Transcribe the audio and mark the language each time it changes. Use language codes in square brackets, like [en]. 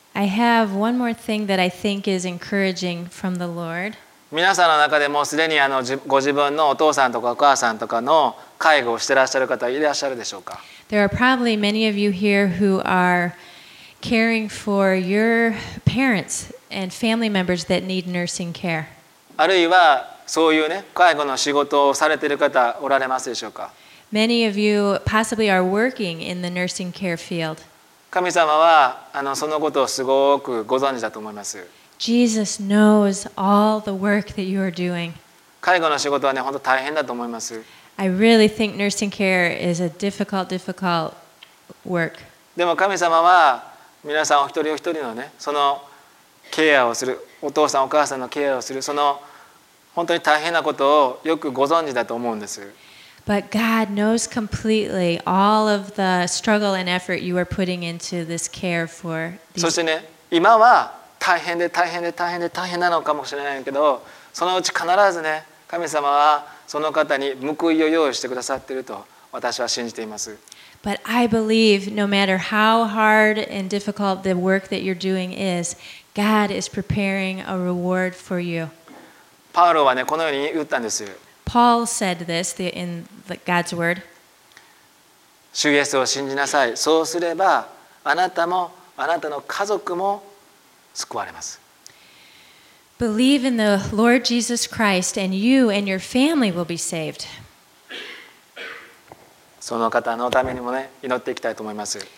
[en] I have one more thing that I think is encouraging from the Lord. [ja] 皆さんの中でもすでにご自分のお父さんとかお母さんとかの介護をしてらっしゃる方いらっしゃるでしょうか? [en] There are probably many of you here who are caring for your parents and family members that need nursing care. [ja] あるいはそういうね、介護の仕事をされている方おられますでしょうか。 [en] Many of you possibly are working in the nursing care field. [ja] 神様はそのことをすごくご存知だと思います。 [en] Jesus knows all the work that you are doing. [ja] 介護の仕事はね、本当大変だと思います。 [en] I really think nursing care is a difficult, difficult work. [ja] でも神様は皆さんお一人お一人のね、そのケアをする、お父さんお母さんのケアをする、その本当に大変なことをよくご存知だと思うんです。 [en] But God knows completely all of the struggle and effort you are putting into this care for these. [ja] そしてね、今は大変で大変で大変で大変なのかもしれないけど、そのうち必ずね、神様はその方に報いを用意してくださっていると私は信じています。 [en] But I believe no matter how hard and difficult the work that you're doing is, God is preparing a reward for you. [ja] パウロはね、このように言ったんです。 [en] Paul said this in God's word. [ja] 主イエスを信じなさい。そうすればあなたもあなたの家族も救われます。 [en] Believe in the Lord Jesus Christ and you and your family will be saved. [ja] その方のためにもね、祈っていきたいと思います。